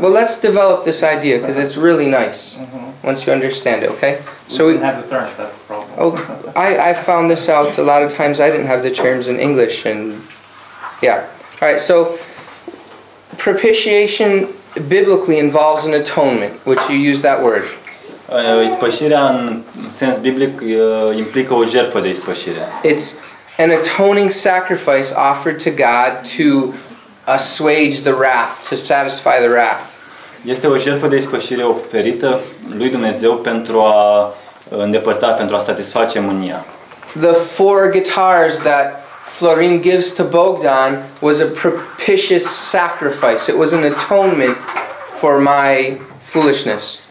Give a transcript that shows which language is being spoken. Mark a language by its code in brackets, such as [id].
[en] Well, let's develop this idea because it's really nice once you understand it. Okay. So we didn't have the terms for that problem. Oh, I found this out a lot of times. I didn't have the terms in English, and yeah. All right. So propitiation biblically involves an atonement, which you use that word. [ro] Ispășirea în sens biblic implică o jertfă de ispășire. [en] It's an atoning sacrifice offered to God to assuage the wrath, to satisfy the wrath. [ro] Este o jertfă de ispășire oferită lui Dumnezeu pentru a îndepărta, pentru a satisface mânia. [en] The four guitars that Florin gives to Bogdan was a propitious sacrifice. It was an atonement for my foolishness.